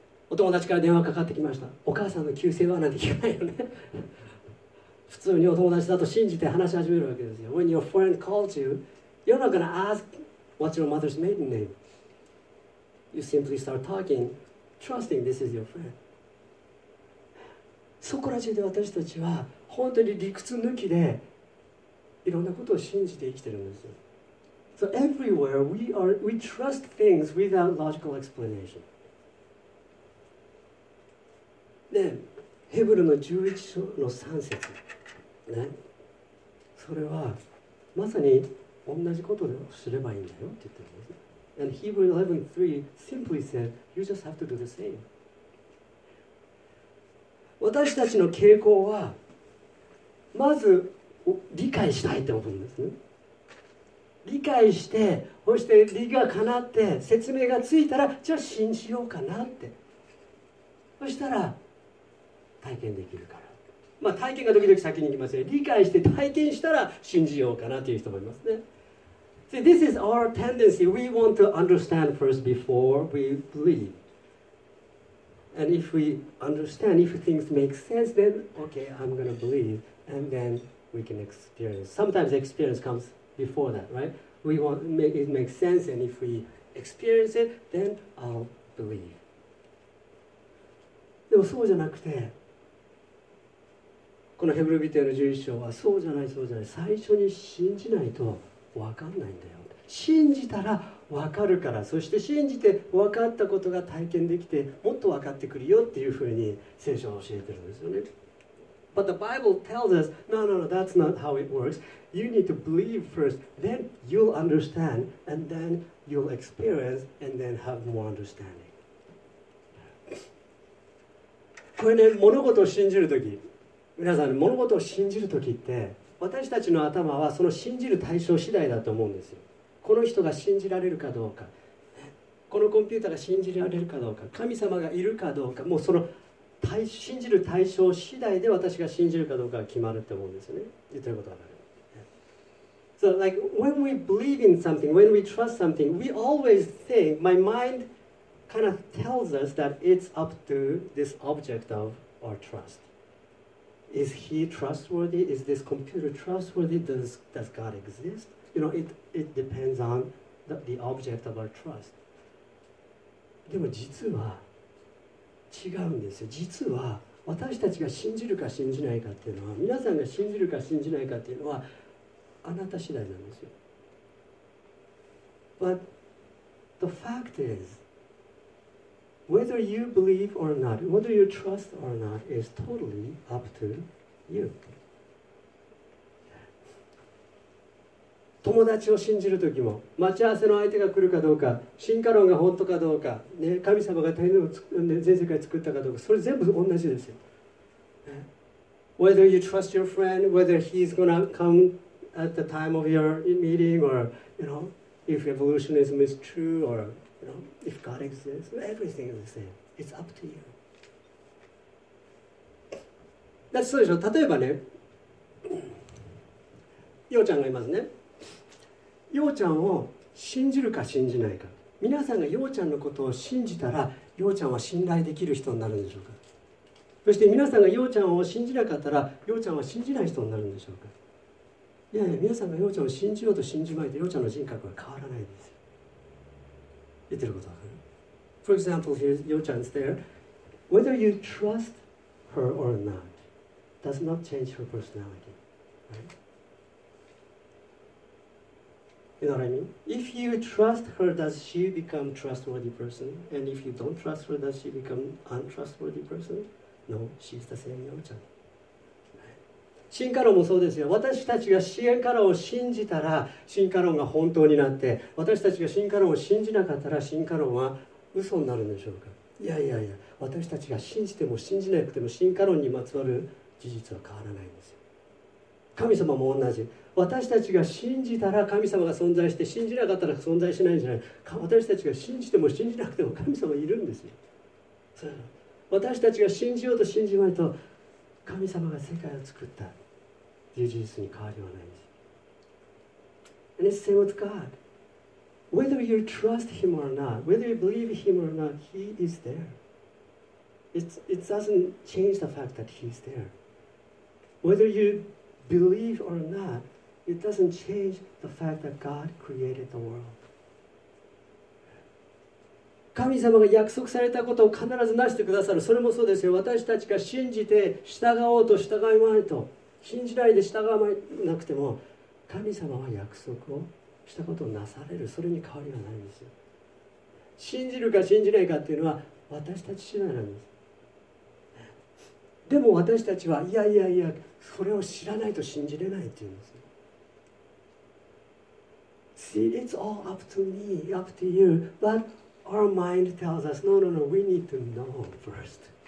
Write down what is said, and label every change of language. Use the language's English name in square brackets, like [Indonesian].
[Japanese] お友達から電話かかってきました。お母さんの旧姓はなんて聞かないよね。普通にお友達だと信じて話し始めるわけですよ。 [English] When your friend calls you, you're not going to ask what's your mother's maiden name. You simply start talking, trusting this is your friend. [Japanese] そこら中で私たちは本当に理屈抜きでいろんなことを信じて生きてるんですよ。 [English] So everywhere we trust things without logical explanation. [Japanese] で、ヘブルの11章の3節、ね、それはまさに同じことをすればいいんだよって言ってるんです。 [English] And Hebrews 11:3 simply said, you just have to do the same. [Japanese] 私たちの傾向はまず理解したいって思うんですね。理解して、そして理がかなって、説明がついたら、じゃあ信じようかなって。そしたら、体験できるから。まあ体験が時々先に行きますね。理解して体験したら信じようかなという人もいますね。 [English] See, this is our tendency. We want to understand first before we believe. And if we understand, if things make sense, then okay, I'm going to believe. And then we can experience. Sometimes experience comes before that, right? We want to make it make sense. And if we experience it, then I'll believe. [Japanese] でもそうじゃなくて、このヘブル人への11章はそうじゃないそうじゃない。最初に信じないと、分かんないんだよ。信じたら分かるから、そして信じて分かったことが体験できてもっと分かってくるよっていうふうに聖書は教えてるんですよね。 [English] But the Bible tells us no, no, no, that's not how it works. You need to believe first, then you'll understand, and then you'll experience, and then have more understanding. [Japanese] これね、物事を信じるとき、皆さん、物事を信じるときって私たちの頭はその信じる対象次第だと思うんですよ。この人が信じられるかどうか、このコンピューターが信じられるかどうか、神様がいるかどうか、もうその信じる対象次第で私が信じるかどうかが決まるって思うんですよね。言ってることは分かる。 [English] So like when we believe in something, when we trust something, we always think, my mind kind of tells us that it's up to this object of our trust. Is he trustworthy? Is this computer trustworthy? Does God exist? You know, it depends on the object of our trust. [Japanese] でも実は違うんですよ。実は私たちが信じるか信じないかっていうのは、皆さんが信じるか信じないかっていうのはあなた次第なんですよ。 [English] But the fact is, whether you believe or not, whether you trust or not, is totally up to you. [Japanese] 友達を信じるときも、待ち合わせの相手が来るかどうか、進化論が本当かどうか、ね、神様が大変を作る、全世界作ったかどうか、それ全部同じですよ。 [English] Whether you trust your friend, whether he's gonna come at the time of your meeting, or you know, if evolutionism is true, or if God exists, everything is the same. It's up to you. [Japanese] だってそうでしょ。例えばね、ヨウちゃんがいますね。ヨウちゃんを信じるか信じないか、皆さんがヨウちゃんのことを信じたら、ヨウちゃんは信頼できる人になるんでしょうか。そして皆さんがヨウちゃんを信じなかったら、ヨウちゃんは信じない人になるんでしょうか。いやいや、皆さんがヨウちゃんを信じようと信じまいと、ヨウちゃんの人格は変わらないんですよ。言ってることは分かる。 [English] For example, here's Yo-chan's there. Whether you trust her or not does not change her personality, right? You know what I mean? If you trust her, does she become trustworthy person? And if you don't trust her, does she become untrustworthy person? No, she's the same Yo-chan. [Japanese] 進化論もそうですよ。私たちが進化論を信じたら進化論が本当になって、私たちが進化論を信じなかったら進化論は嘘になるんでしょうか。いやいやいや、私たちが信じても信じなくても進化論にまつわる事実は変わらないんですよ。神様も同じ。私たちが信じたら神様が存在して、信じなかったら存在しないんじゃない。私たちが信じても信じなくても神様いるんですよ。そう、私たちが信じようと信じまいと、神様が世界を作ったという事実に変わりはないです。 [English] And it's the same with God. Whether you trust Him or not, whether you believe Him or not, He is there. It doesn't change the fact that He's there. Whether you believe or not, it doesn't change the fact that God created the world. [Japanese] 神様が約束されたことを必ずなしてくださる。それもそうですよ。私たちが信じて従おうと従いまいと、信じないで従わなくても、神様は約束をしたことをなされる、それに変わりはないんですよ。信じるか信じないかっていうのは私たち次第なんです。でも私たちはいやいやいや、それを知らないと信じれないっていうんですよ。 [English] See, it's all up to me, up to you, but our mind tells us, no, no, no, we need to know first.